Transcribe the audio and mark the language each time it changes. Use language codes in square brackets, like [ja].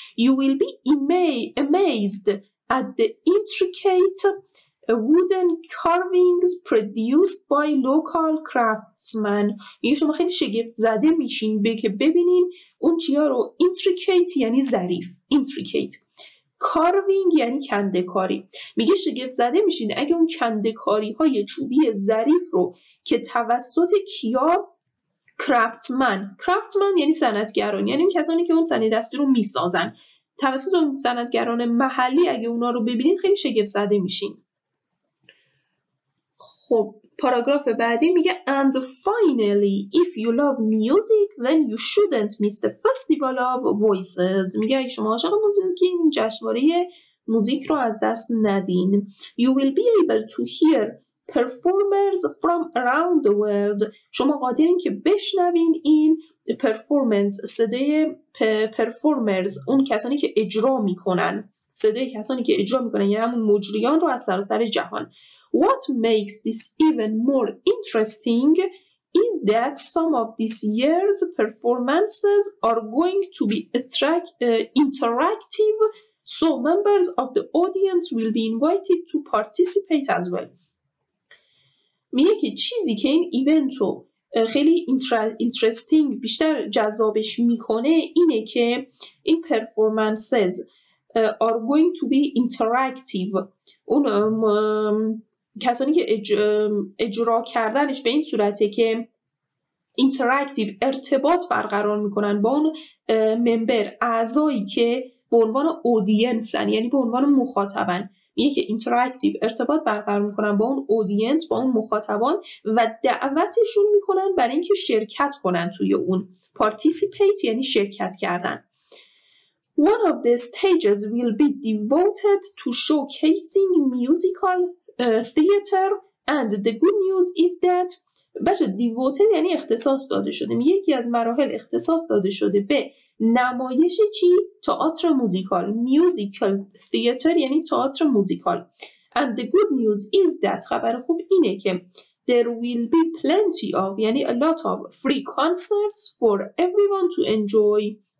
[en] You will be amazed at the intricate wooden carvings produced by local craftsmen. [fa] میگه شما خیلی شگفت زده میشین به که ببینین اون چیا رو intricate یعنی ظریف. Intricate. Carving یعنی کنده کاری. میگه شگفت زده میشین اگه اون کنده کاری های چوبی ظریف رو که توسط کیا craftsmen. Craftsmen یعنی صنعتگران. یعنی کسانی که اون صنایع دستی رو میسازن. توسط اون صنعتگران محلی اگه اونا رو ببینید خیلی شگفت زده میشین. خب پاراگراف بعدی میگه [en] And finally, if you love music, then you shouldn't miss the festival of voices. [fa] میگه اگه شما عاشق موسیقی این جشنواره موزیک رو از دست ندین. [en] You will be able to hear performers from around the world. [fa] شما قادرین که بشنوین این پرفورمنس صدای پرفورمرز اون کسانی که اجرا میکنن. صدای کسانی که اجرا میکنن یعنی همون مجریان رو از سراسر جهان. [en] What makes this even more interesting is that some of this year's performances are going to be interactive, so members of the audience will be invited to participate as well. [fa] میگه که چیزی که این ایونت رو خیلی interesting بیشتر جذابش میکنه اینه که این [en] performances are going to be interactive. [fa] اون کسانی که اجرا کردنش به این صورته که اینتراکتیو ارتباط برقرار میکنن با اون ممبر اعضایی که به عنوان اودینسن یعنی به عنوان مخاطبن. میگه که اینتراکتیو ارتباط برقرار میکنن با اون اودینس با اون مخاطبان و دعوتشون میکنن برای اینکه شرکت کنن توی اون. پارتیسیپیت یعنی شرکت کردن. [en] One of the stages will be devoted to showcasing musical theater and the good news is that [fa] بچه [en] devoted [fa] یعنی اختصاص داده شده. یکی از مراحل اختصاص داده شده به نمایش چی؟ تئاتر موزیکال. Musical theater یعنی تئاتر موزیکال. [en] And the good news is that [fa] خبر خوب اینه که [en] there will be plenty of یعنی a lot of free concerts for everyone to enjoy.